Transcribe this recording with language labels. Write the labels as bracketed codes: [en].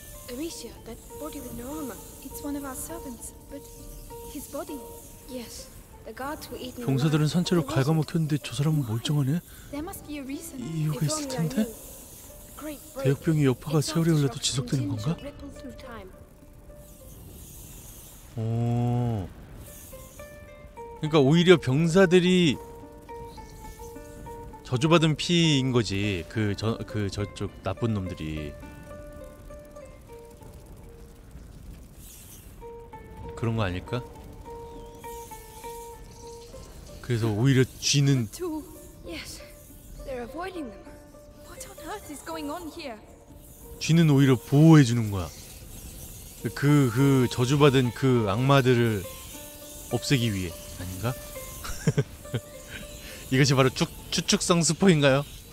[en] 에미시아, that body with no armor. It's one of our servants, but his body. Yes. [ko] 병사들은 산채로 갉아먹혔는데 저 사람은 멀쩡하네? 이유가 있을 텐데? 대역병의 여파가 세월이 흘러도 지속되는 건가? 오. 그러니까 오히려 병사들이 저주받은 피인 거지. 저쪽 나쁜 놈들이. 그런 거 아닐까? 그래서 오히려 쥐는 [en] yes. They're avoiding them. What on earth is going on here? [ko] 쥐는 오히려 보호해 주는 거야. 그 저주받은 그 악마들을 없애기 위해 아닌가? 이것이 바로 추측성 스포인가요?